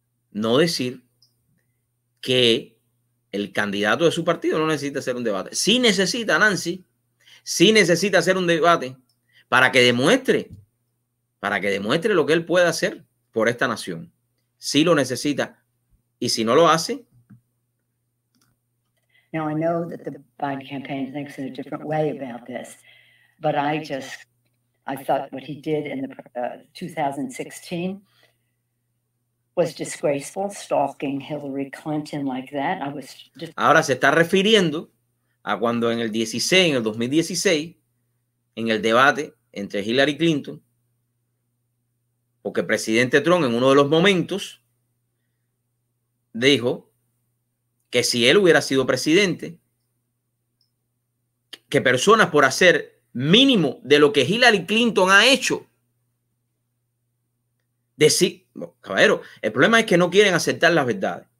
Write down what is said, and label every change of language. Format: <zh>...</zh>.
<es>No decir que el candidato de su partido no necesita hacer un debate. Sí necesita, Nancy, sí necesita hacer un debate para que demuestre lo que él puede hacer por esta nación. Sí lo necesita. Y si no lo hace.</es> <en>Now I know that the Biden campaign thinks in a different way about this, but I thought what he did in the 2016 was disgraceful, stalking Hillary Clinton like that. I was just...</en> <es>Ahora se está refiriendo a cuando en el 2016, en el debate entre Hillary Clinton, porque el presidente Trump en uno de los momentos dijo que si él hubiera sido presidente, que personas por hacer mínimo de lo que Hillary Clinton ha hecho, caballero, el problema es que no quieren aceptar las verdades.</es>